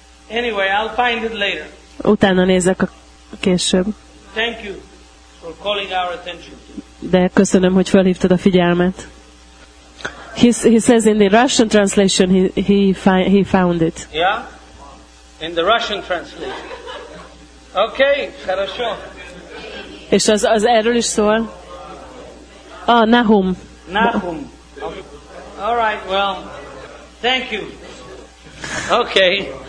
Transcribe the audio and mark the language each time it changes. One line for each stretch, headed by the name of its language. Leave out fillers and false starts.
English: Anyway, I'll find it later.
Hungarian: Utána nézek a később.
English: Thank you for calling our attention.
Hungarian: De köszönöm, hogy felhívtad a figyelmet.
English: He says in the Russian translation he found it. Yeah? In the Russian translation. Okay,
Russian: хорошо.
Hungarian: És az erről is szól. Ah, Nahum.
English: Nahum. All right, well. Thank you. Okay.